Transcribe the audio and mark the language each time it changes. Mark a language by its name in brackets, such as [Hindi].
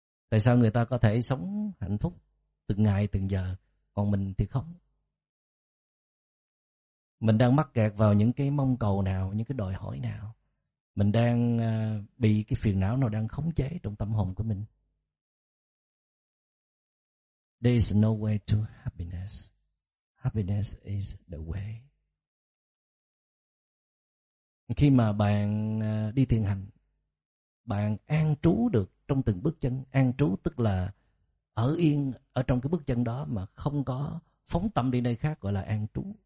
[Vietnamese] Tại sao người ta có thể sống hạnh phúc từng ngày từng giờ, còn mình thì không? Mình đang mắc kẹt vào những cái mong cầu nào, những cái đòi hỏi nào? Mình đang bị cái phiền não nào đang khống chế trong tâm hồn của mình? [English] There is no way to happiness. Happiness is the way. [Vietnamese] Khi mà bạn đi thiền hành, bạn an trú được trong từng bước chân. An trú tức là ở yên ở trong cái bước chân đó mà không có phóng tâm đi nơi khác, gọi là an trú.